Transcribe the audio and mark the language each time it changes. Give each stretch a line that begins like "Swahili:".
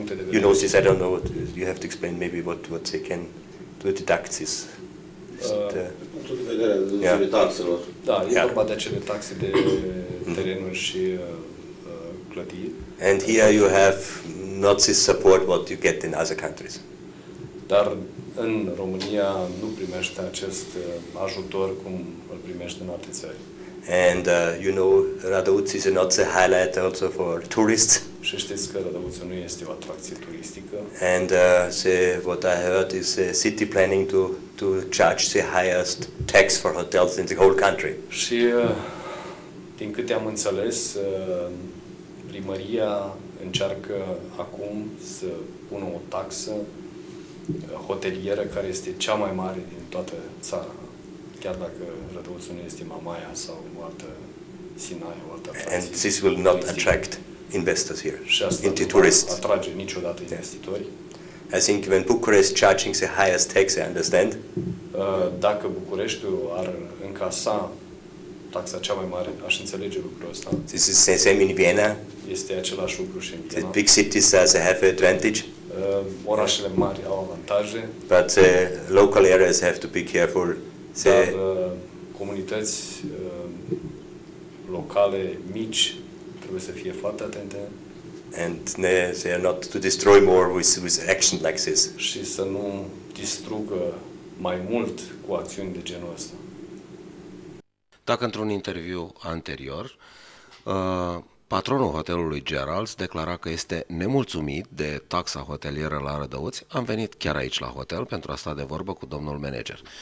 English: You know this, I don't know what you have to explain, maybe what they can do to deduct this.
Romanian: Da, e vorba de taxe de terenuri și clădiri.
English: And here you have not this support what you get in other countries.
Romanian: Dar în România nu primește acest ajutor cum îl primește în alte țări.
English: And you know, Rădăuți is not the highlight also for tourists.
Romanian: Și știți că Rădăuți nu este o atracție turistică.
English: And what I heard is city planning to charge the highest tax for hotels in the whole country.
Romanian: Și din câte am înțeles, primăria încearcă acum să pună o taxă hotelieră care este cea mai mare din toată țara. Chiar dacă Rădăuțul nu este Mamaia sau o altă Sinaia, o altă
English: atracție. And this will not attract investors here, into tourists.
Romanian: Și asta nu va atrage niciodată investitori.
English: I think when Bucharest charging the highest tax, I understand.
Romanian: Dacă Bucureștiul ar încasa taxa cea mai mare, aș înțelege lucrul ăsta.
English: This is the same in Vienna.
Romanian: Este același lucru și în Viena.
English: The big cities have advantage.
Romanian: Orașele mari au avantaje.
English: But the local areas have to be careful.
Romanian: Dar comunități locale mici trebuie să fie foarte atente.
English: And they are not to destroy more with action like this.
Romanian: Și să nu distrugă mai mult cu acțiuni de genul ăsta. Dacă într-un interviu anterior, patronul hotelului Gerald's declara că este nemulțumit de taxa hotelieră la Rădăuți, am venit chiar aici la hotel pentru a sta de vorbă cu domnul manager.